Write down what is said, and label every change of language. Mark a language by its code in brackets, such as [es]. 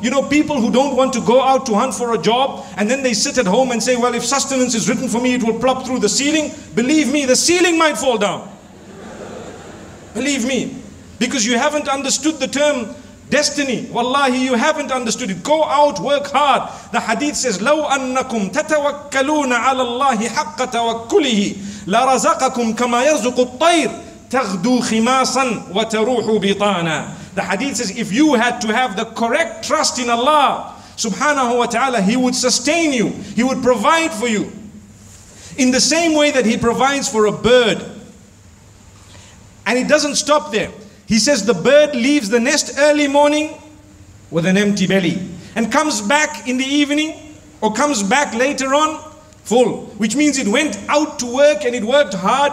[en] You know, people who don't want to go out to hunt for a job and then they sit at home and say, well, if sustenance is written for me, it will plop through the ceiling. Believe me, the ceiling might fall down. Believe me. Because you haven't understood the term destiny. Wallahi, you haven't understood it. Go out, work hard. The hadith says, [ar] لَوْ أَنَّكُمْ تَتَوَكَّلُونَ عَلَى اللَّهِ حَقَّ تَوَكُّلِهِ لَرَزَقَكُمْ كَمَا يَرْزُقُ الطَّيْرِ تَغْدُو خِمَاسًا وَتَرُوحُ بِطَانًا. [en] The hadith says, if you had to have the correct trust in Allah subhanahu wa ta'ala, He would sustain you. He would provide for you. In the same way that He provides for a bird. And it doesn't stop there. He says the bird leaves the nest early morning with an empty belly and comes back in the evening, or comes back later on, full, which means it went out to work and it worked hard.